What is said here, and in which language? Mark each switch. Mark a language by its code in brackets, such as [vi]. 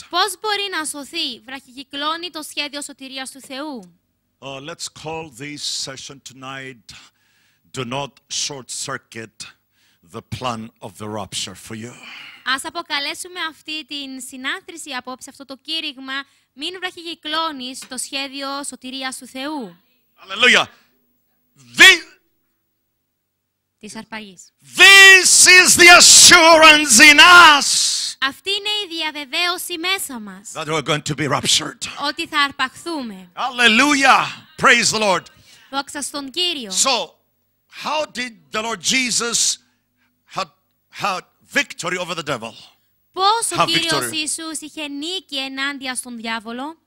[el] Πώς μπορεί να σωθεί βραχυκυκλώνη το σχέδιο σωτηρίας του Θεού. [en] Let's call this session tonight, do not short-circuit the plan of the rapture for you. [el] Ας αποκαλέσουμε αυτή την συνάθρηση απόψε, αυτό το κήρυγμα, μην βραχυκυκλώνεις το σχέδιο σωτηρίας του Θεού. [en] Hallelujah. This is the assurance in us. [el] Αυτή είναι η διαβεβαίωση μέσα μας. [en] That we're going to be raptured. [el] Ότι θα αρπαχθούμε. [en] Hallelujah. Praise the Lord. [el] Δόξα στον Κύριο. [en] So, how did the Lord Jesus had victory over the devil? [el] Πώς ο Κύριος Ιησούς είχε νίκη ενάντια στον διάβολο?